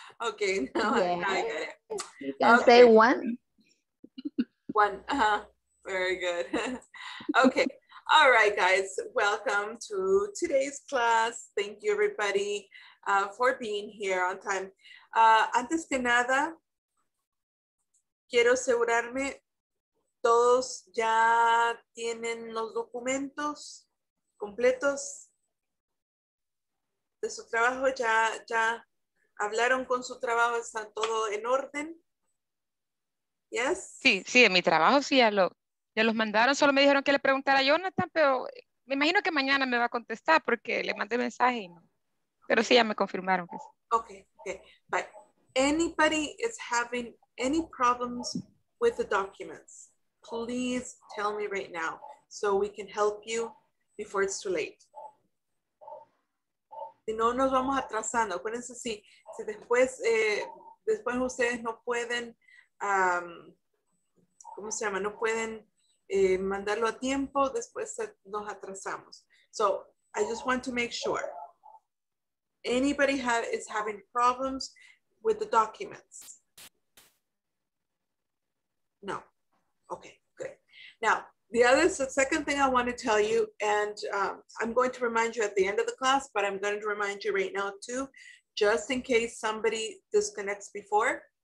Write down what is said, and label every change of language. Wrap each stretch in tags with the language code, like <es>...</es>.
<en>Okay, now I get it. He can say one. One, very good. Okay, all right, guys. Welcome to today's class. Thank you, everybody, for being here on time.</en> <es>Antes que nada, quiero asegurarme, ¿todos ya tienen los documentos completos de su trabajo? ¿Ya hablaron con su trabajo? ¿Está todo en orden?</es> <en>Yes.</en> <es>Sí, en mi trabajo sí ya los mandaron. Solo me dijeron que le preguntara a Jonathan, pero me imagino que mañana me va a contestar porque le mandé mensaje. Y no. Pero sí, ya me confirmaron. Que sí.</es> <en>Okay. Bye. Anybody is having any problems with the documents, please tell me right now so we can help you before it's too late.</en> <es>Si no nos vamos atrasando, acuérdense si después después ustedes no pueden ¿cómo se llama? No pueden mandarlo a tiempo, después nos atrasamos.</es> <en>So I just want to make sure anybody is having problems with the documents. No. Okay, good. Now, the second thing I want to tell you, and I'm going to remind you at the end of the class, but I'm going to remind you right now too, just in case somebody disconnects before.</en>